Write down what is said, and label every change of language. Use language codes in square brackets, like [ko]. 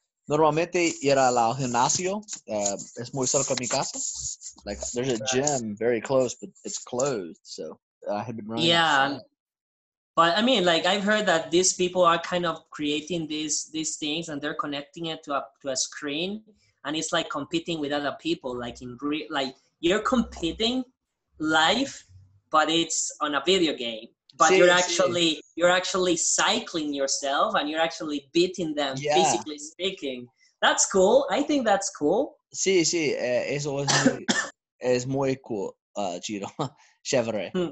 [es] Normalmente ir al gimnasio, es muy cerca de mi casa. [en] Like, there's a gym very close, but it's closed, so I had been running. Yeah. But I mean, like, I've heard that these people are kind of creating these things, and they're connecting it to a screen, and it's like competing with other people, like in real, like you're competing live, but it's on a video game. But you're actually cycling yourself, and you're actually beating them physically speaking. That's cool. I think that's cool. [es] Sí, eso es es muy cool, Giro, chévere.